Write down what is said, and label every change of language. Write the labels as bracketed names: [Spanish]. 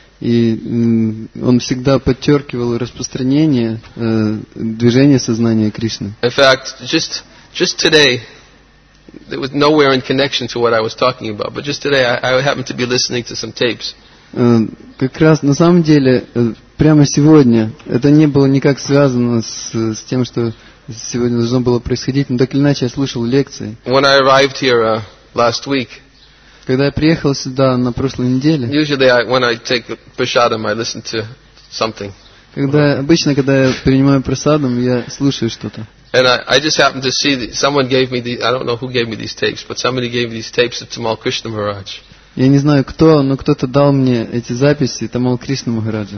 [Russian] И он всегда подчеркивал распространение движения сознания Кришны. [English] In fact, just today, it was nowhere in connection to what I was talking about, but just today I happened to be listening to some tapes. [Russian] Как раз на самом деле прямо сегодня это не было никак связано с тем, что сегодня должно было происходить, но так или иначе я слышал лекции. [English] When I arrived here last week. [Russian] Когда я приехал сюда на прошлой неделе. [English] Usually when I take prasadam, I listen to something. [Russian] Когда обычно, когда я принимаю прасадам, я слушаю что-то. [English] And I just happened to see that someone gave me these. I don't know who gave me these tapes, but somebody gave me these tapes of Tamal Krishna Maharaj. [Russian] Я не знаю кто, но кто-то дал мне эти записи Тамал Кришна Махараджа.